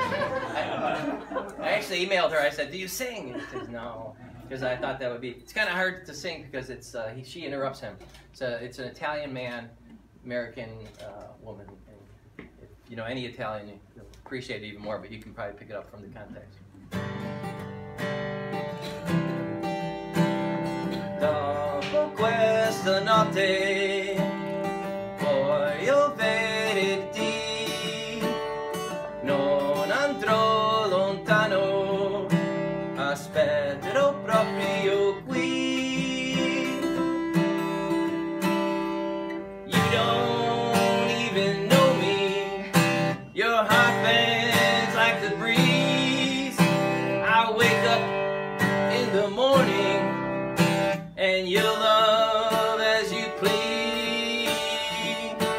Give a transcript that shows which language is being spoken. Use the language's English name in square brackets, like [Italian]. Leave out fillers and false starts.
[English] I actually emailed her. I said, "Do you sing?" And she says, "No." Because I thought that would be, it's kind of hard to sing because it's she interrupts him. So it's an Italian man, American woman. And if you know any Italian, you'll appreciate it even more, but you can probably pick it up from the context. [Italian] Dopo questa notte, voglio vederti, non andrò lontano, aspetterò proprio qui. [English] You don't even know me, your heart bends like the breeze. I wake up in the morning and you'll love as you please.